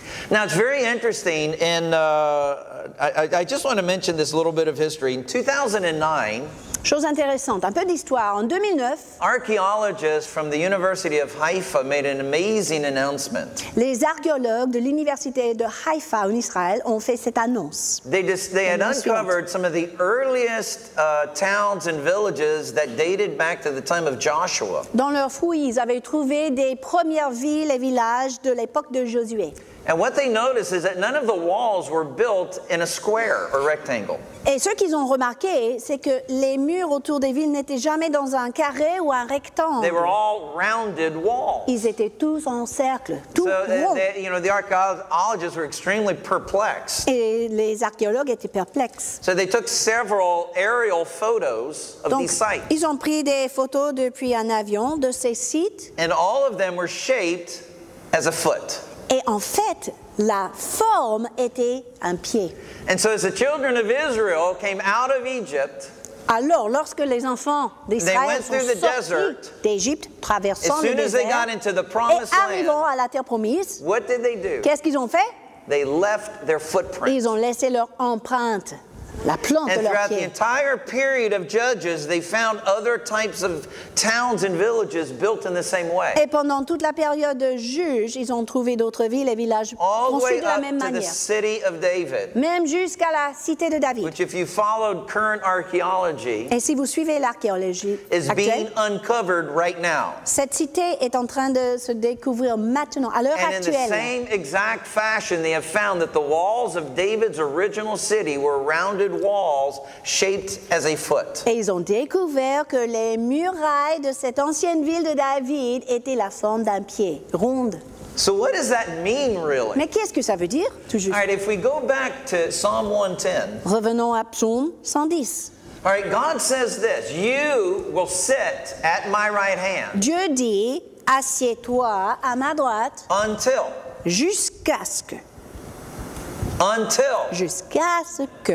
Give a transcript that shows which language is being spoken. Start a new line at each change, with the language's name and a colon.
English: Now it's very interesting, and I just want to mention this little bit of history. In 2009,
French: chose intéressante, un peu d'histoire. En 2009,
English: archaeologists from the University of Haifa made an amazing announcement.
French: Les archéologues de l'université de Haïfa en Israël ont fait cette annonce.
English: They had uncovered some of the earliest towns and villages that dated back to the time of Joshua.
French: Dans leurs fouilles, ils avaient trouvé des premières villes et villages de l'époque de Josué.
English: And what they noticed is that none of the walls were built in a square or rectangle.
French: Et ce qu'ils ont remarqué, c'est que les murs autour des villes n'étaient jamais dans un carré ou un rectangle.
English: They were all rounded walls.
French: Ils étaient tous en cercle, tout rond.
English: So the archaeologists were extremely perplexed.
French: Et les archéologues étaient perplexes.
English: So they took several aerial photos of these sites.
French: Ils ont pris des photos depuis un avion de ces sites.
English: And all of them were shaped as a foot.
French: Et en fait, la forme était un pied.
English: And so as the children of Israel came out of Egypt,
French: alors lorsque les enfants d'Israël sont sortis d'Égypte, traversant le désert, et arrivant à la terre promise,
English: what did they do?
French: Qu'est-ce qu'ils ont fait?
English: They left their footprint.
French: Ils ont laissé leur empreinte. La plante
English: and
French: de
English: throughout
French: leur
English: the entire period of Judges, they found other types of towns and villages built in the same way.
French: Et pendant toute la période de Juges, ils ont trouvé d'autres villes et villages construits de la même manière.
English: The city of David.
French: Même jusqu'à la cité de David.
English: Which, if you followed current archaeology,
French: et si vous suivez l'archéologie
English: is
French: actuelle,
English: being uncovered right now.
French: Cette cité est en train de se découvrir maintenant, à l'heure
English: and
French: actuelle.
English: And in the same exact fashion, they have found that the walls of David's original city were round. Walls shaped as a foot.
French: Et ils ont découvert que les murailles de cette ancienne ville de David étaient la forme d'un pied, ronde.
English: So what does that mean, really?
French: Mais qu'est-ce que ça veut dire, tout juste?
English: All right, if we go back to Psalm 110.
French: Revenons à Psaume 110.
English: All right, God says this, you will sit at my right hand.
French: Dieu dit, assieds-toi à ma droite.
English: Until.
French: Jusqu'à ce que.
English: Until.
French: Jusqu'à ce que.